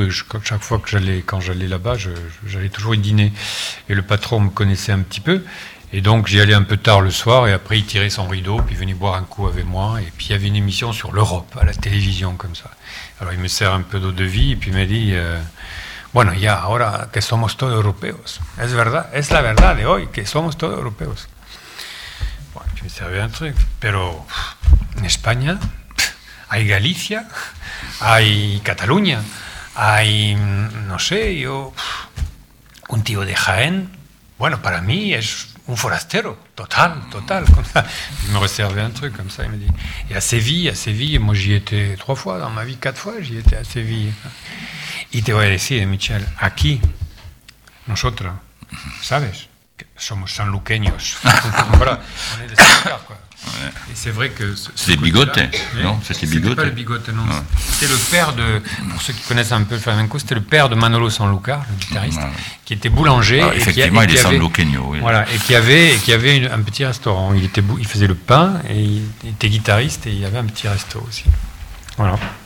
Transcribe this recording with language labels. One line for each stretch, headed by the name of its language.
French: Et chaque fois que j'allais là-bas, j'allais toujours y dîner. Et le patron me connaissait un petit peu. Et donc, j'y allais un peu tard le soir, et après, il tirait son rideau, puis il venait boire un coup avec moi, et puis il y avait une émission sur l'Europe, à la télévision, comme ça. Alors, il me sert un peu d'eau de vie, et puis il m'a dit «
Spanish: Bueno, ya, ahora que somos todos europeos. Es verdad, es la verdad de hoy, que somos todos europeos. »
French: Bon, tu me servais un truc.
Spanish: Pero, en España, hay Galicia, hay Cataluña, hay, no sé, yo, un tío de Jaén. Bueno, para mí es... un forastero, total,
French: comme ça. Il me réservait un truc, comme ça, il me dit. Et à Séville, moi j'y étais 3 fois, dans ma vie 4 fois, j'y étais à Séville.
Spanish: Y te voy a decir, Michel, aquí, nosotros, sabes, somos sanluqueños.
French: Voilà, on est de Sanlúcar, quoi. Ouais. Et c'est vrai que... C'est Bigote, non ? C'était Bigote. C'était pas le Bigote, non. Ouais. C'était le père de... Pour ceux qui connaissent un peu le flamenco, c'était le père de Manolo Sanlúcar, le guitariste, qui était boulanger. Ah, effectivement, il est sanluqueño. Oui. Voilà, et qui avait un petit restaurant. Il faisait le pain, et il était guitariste, et il avait un petit resto aussi. Voilà.